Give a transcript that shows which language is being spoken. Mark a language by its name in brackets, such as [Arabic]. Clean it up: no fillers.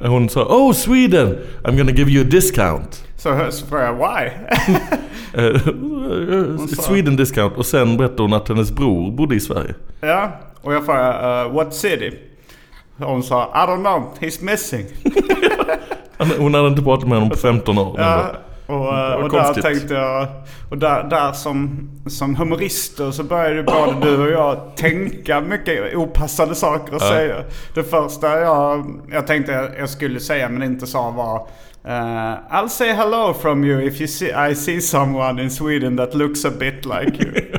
[Swedish] Hon sa, [English] oh Sweden, I'm gonna give you a discount. [Swedish] Så frågade jag, [English] why? Sweden discount. [Swedish] Och sen berättade hon att hennes bror bodde i Sverige. Ja, och jag frågade, [English] what city? [Swedish] Och hon sa, [English] I don't know, he's missing. [Swedish] Hon hade inte pratat med honom på 15 år. Ja, och där tänkte jag, och där som humorister, så började både du och jag tänka mycket opassande saker att säga. Det första jag tänkte jag skulle säga men inte sa var, [English] I'll say hello from you if you see, I see someone in Sweden that looks a bit like you.